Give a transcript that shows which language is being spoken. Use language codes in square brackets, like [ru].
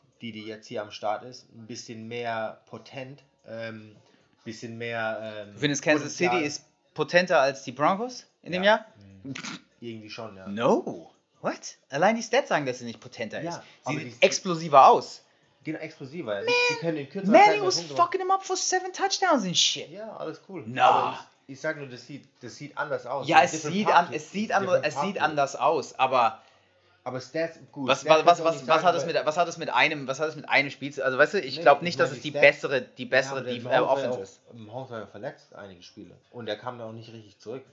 [de] Die jetzt hier am Start ist, ein bisschen mehr potent, ein bisschen mehr. Wenn es Kansas City ist potenter als die Broncos in dem Jahr? Irgendwie schon, ja. [en] No! What? [de] Allein die Stats sagen, dass sie nicht potenter ist. Sie sehen explosiver aus. Genau, explosiver. [en] Manny was fucking him up for 7 touchdowns and shit. [de] Ja, alles cool. Na. Aber ich sag nur, das sieht anders aus. Ja, es sieht anders aus, aber. Aber Stats gut. Was hat es mit einem Spiel zu tun? Also weißt du, ich glaube nicht, dass es die bessere Offense ist. Mahomes hat ja verletzt einige Spiele. Und er kam da auch nicht richtig zurück.